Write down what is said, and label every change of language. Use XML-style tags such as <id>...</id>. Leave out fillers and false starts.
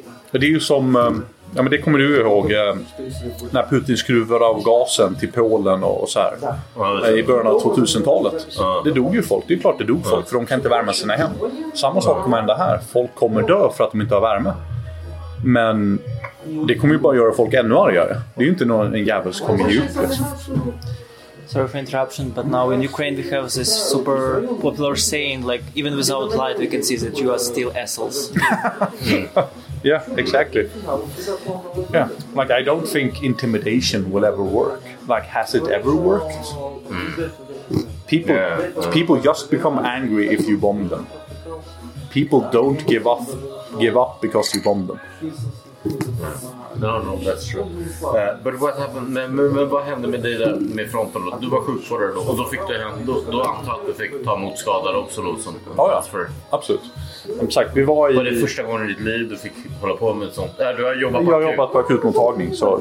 <sv>Det är ju som, ja men det kommer du ihåg, när Putin skruvar av gasen till Polen och så här. I början av 2000-talet. Det dog ju folk, det är klart det dog folk, för de kan inte värma sina hem. Samma sak kommer hända här, folk kommer dö för att de inte har värme. Men det kommer ju bara göra folk ännu argare. Det är ju inte någon en jävel som kommer ge upp.</sv> <en>Sorry for interruption, but now in Ukraine we have this super popular saying, like, even without light we can see that you are still assholes. Yeah, exactly. Yeah, like, I don't think intimidation will ever work. Like, has it ever worked? People just become angry if you bomb them. People don't give up because you bomb them. No, that's true. But what happened?</en> <sv>Men vad hände med dig där med fronten? Du var sjukvårdare då, och då fick du då antar att du fick ta emot skadade också då, som transfer. Absolut. Exakt. Vi var i... Var det första gången i ditt liv du fick hålla på med sånt? Du har jobbat på akutmottagning. Så...</sv>